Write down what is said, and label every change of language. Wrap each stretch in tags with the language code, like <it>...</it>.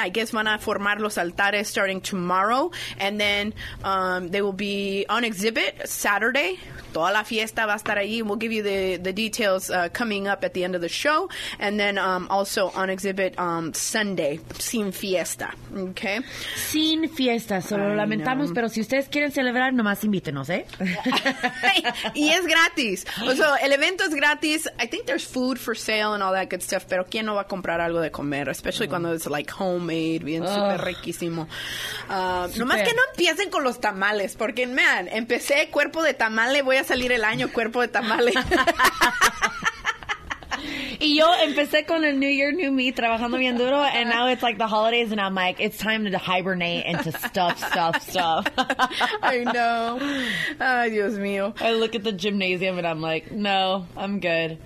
<en>I guess</en> <es>van a formar los altares</es> <en>starting tomorrow, and then they will be on exhibit Saturday.</en> <es>Toda la fiesta va a estar allí,</es> <en>and we'll give you the details coming up at the end of the show, and then also on exhibit Sunday,</en> <es>sin fiesta,</es> <en>okay?</en> <es>Sin fiesta, solo lamentamos, pero si ustedes quieren celebrar, nomás invítenos, ¿eh? Y es gratis. O sea, el evento es gratis.</es> <en>I think there's food for sale and all that good stuff,</en> <es>pero ¿quién no va a comprar algo de comer?</es> <en>Especially</en> <es>cuando</es> <en>it's like homemade,</en> <es>bien súper riquísimo. Nomás que no empiecen con los tamales, porque, man, empecé cuerpo de tamale, voy a salir el año cuerpo de tamale. Y yo empecé con el</es> <en>New Year, New Me,</en> <es>trabajando bien duro,</es> <en>and now it's like the holidays, and I'm like, it's time to hibernate and to stuff. I know.</en> <es>Ay, Dios mío.</es> <en>I look at the gymnasium, and I'm like, no, I'm good.</en>